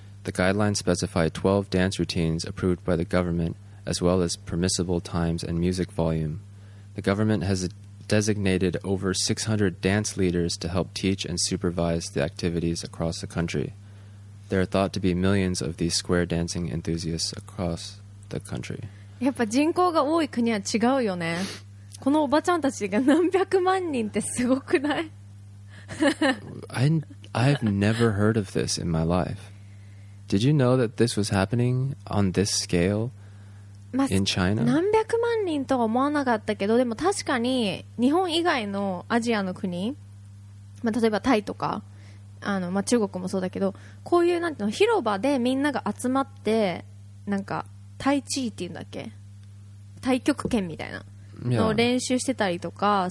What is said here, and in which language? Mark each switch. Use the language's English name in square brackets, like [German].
[English] The guidelines specify 12 dance routines approved by the government, as well as permissible times and music volume. The government has designated over 600 dance leaders to help teach and supervise the activities across the country. There are thought to be millions of these square dancing enthusiasts across the country. [Japanese] やっぱ人口が多い国は違うよね。このおばちゃんたちが何百万人ってすごくない？ [English] I've never heard of this in my life. Did you know that this was happening on this scale in China? [Japanese] 何百万人とは思わなかったけど、でも確かに日本以外のアジアの国、まあ、例えばタイとか、まあ、中国もそうだけど、こういうなんていうの、広場でみんなが集まってなんかタイチーっていうんだっけ、太極拳みたいなの練習してたりとか、